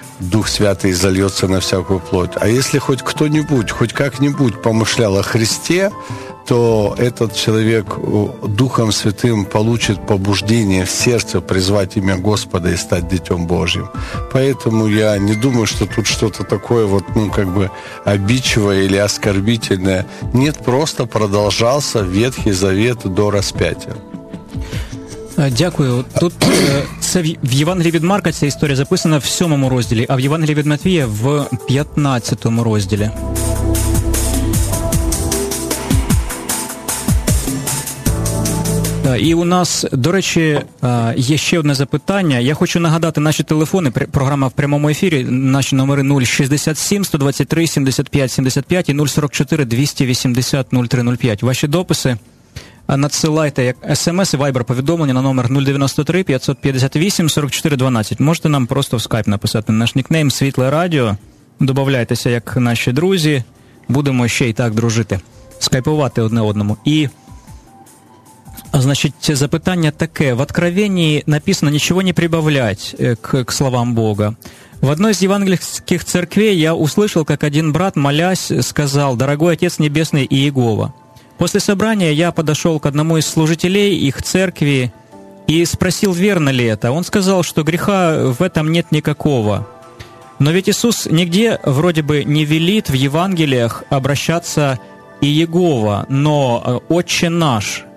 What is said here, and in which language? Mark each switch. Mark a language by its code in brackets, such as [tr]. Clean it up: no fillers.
[ru] Дух Святый зальется на всякую плоть. А если хоть кто-нибудь, хоть как-нибудь помышлял о Христе, то этот человек Духом Святым получит побуждение в сердце призвать имя Господа и стать Детем Божьим. Поэтому я не думаю, что тут что-то такое вот, ну, как бы обидчивое или оскорбительное. Нет, просто продолжался Ветхий Завет до распятия. [uk] Дякую. Тут це в Євангелії від Марка ця історія записана в 7-му розділі, а в Євангелії від Матвія в 15-му розділі. І у нас, до речі, є ще одне запитання. Я хочу нагадати наші телефони, програма в прямому ефірі, наші номери 067-123-75-75 і 044-280-0305. Ваші дописи надсилайте як смс і вайбер повідомлення на номер 093-558-4412. Можете нам просто в скайп написати наш нікнейм «Світле радіо». Додавайтеся як наші друзі. Будемо ще й так дружити. Скайпувати одне одному. І, значить, запитання таке. В Откровенні написано «Нічого не прибавлять к словам Бога». [ru] В одной из евангельских церквей я услышал, как один брат, молясь, сказал «Дорогой Отец Небесный Иегова». После собрания я подошел к одному из служителей их церкви и спросил, верно ли это. Он сказал, что греха в этом нет никакого. Но ведь Иисус нигде вроде бы не велит в Евангелиях обращаться Иегова, но Отче наш.